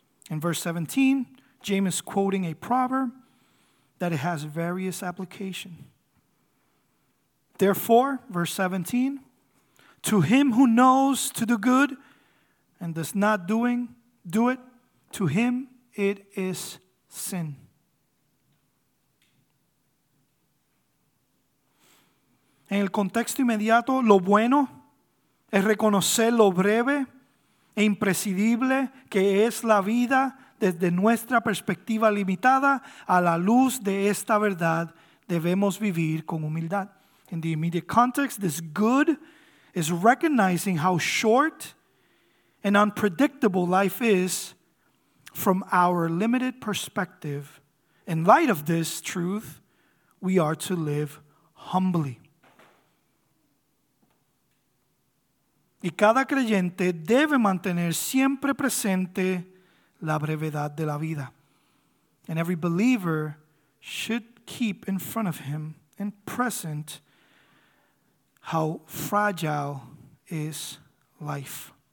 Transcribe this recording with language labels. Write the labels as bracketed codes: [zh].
[en] In verse 17, James is quoting a proverb that it has various application. Therefore, verse 17, to him who knows to do good and does not do it, to him it is sin. [es] en el contexto inmediato, lo bueno es reconocer lo breve e imprescindible que es la vida desde nuestra perspectiva limitada. A la luz de esta verdad, debemos vivir con humildad. [en] In the immediate context, this good is recognizing how short and unpredictable life is from our limited perspective. In light of this truth, we are to live humbly. [es] Y cada creyente debe mantener siempre presente la brevedad de la vida. [en] And every believer should keep in front of him and present how fragile is life.